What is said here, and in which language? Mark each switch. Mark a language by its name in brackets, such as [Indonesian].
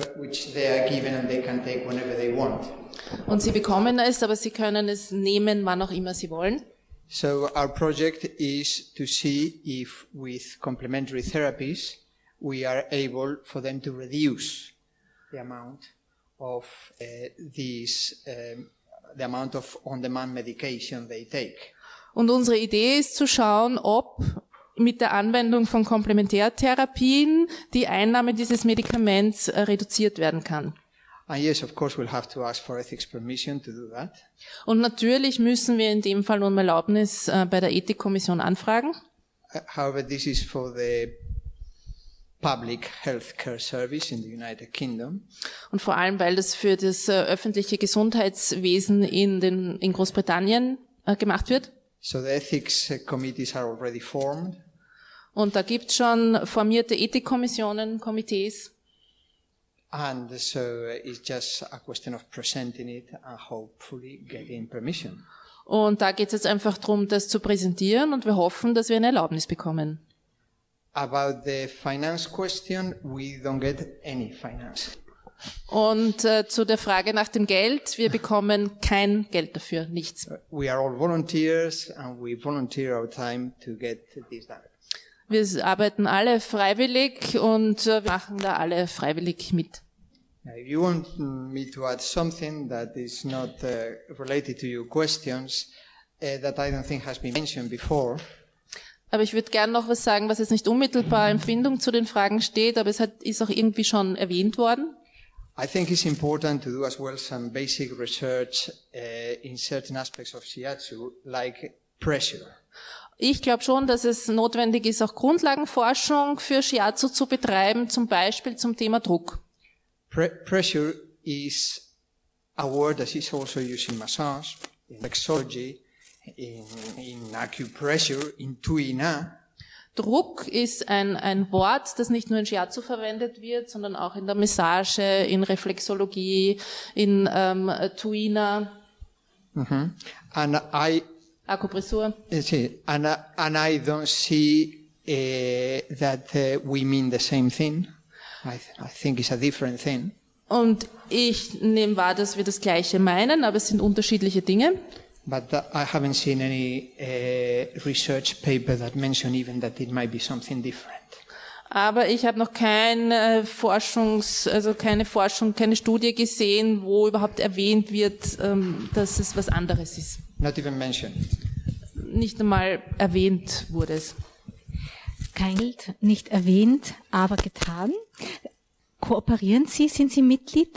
[English] Which they are given and they can take whenever they want. [German] Und sie bekommen es, aber sie können es nehmen, wann auch immer sie wollen. [English] So our project is to see if with complementary therapies we are able for them to reduce the amount of these the amount of on-demand medication they take. [German] Und unsere Idee ist zu schauen, ob mit der Anwendung von Komplementärtherapien die Einnahme dieses Medikaments reduziert werden kann. [English] And yes, of course, we'll have to ask for ethics permission to do that. [German] Und natürlich müssen wir in dem Fall um Erlaubnis bei der Ethikkommission anfragen. [English] However, this is for the public healthcare service in the United Kingdom. [German] Und vor allem, weil das für das öffentliche Gesundheitswesen in Großbritannien gemacht wird. [English] So the ethics committees are already formed. [German] Und da gibt's schon formierte Ethikkommissionen, Komitees. [English] And so it's just a question of presenting it and hopefully getting permission. [German] Und da geht's jetzt einfach drum, das zu präsentieren, und wir hoffen, dass wir eine Erlaubnis bekommen. [English] About the finance question, we don't get any finance. [German] Und zu der Frage nach dem Geld, wir bekommen kein Geld dafür, nichts. [English] We are all volunteers and we volunteer our time to get this done. [German] Wir arbeiten alle freiwillig und wir machen da alle freiwillig mit. [English] If you want me to add something that is not related to your questions, that I don't think has been mentioned before. [German] Aber ich würde gerne noch was sagen, was jetzt nicht unmittelbar in Verbindung zu den Fragen steht, aber es ist auch irgendwie schon erwähnt worden. [English] I think it's important to do as well some basic research in certain aspects of shiatsu, like pressure. [German] Ich glaube schon, dass es notwendig ist, auch Grundlagenforschung für Shiatsu zu betreiben, zum Beispiel zum Thema Druck. [English] Pressure is a word that is also used in massage, in reflexology, in acupressure, in Tuina. [German] Druck ist ein Wort, das nicht nur in Shiatsu verwendet wird, sondern auch in der Massage, in Reflexologie, in Tuina. [English] Mm-hmm. And I... [German] Akupressur. [English] And I don't see that we mean the same thing. I think it's a different thing. [German] Und ich nehme wahr, dass wir das Gleiche meinen, aber es sind unterschiedliche Dinge. [English] But I haven't seen any research paper that mentioned even that it might be something different. [German] Aber ich habe noch keine Studie gesehen, wo überhaupt erwähnt wird, dass es was anderes ist. [English] Not even mentioned. [German] Nicht einmal erwähnt wurde es. Kein Geld, nicht erwähnt, aber getan. Kooperieren Sie? Sind Sie Mitglied?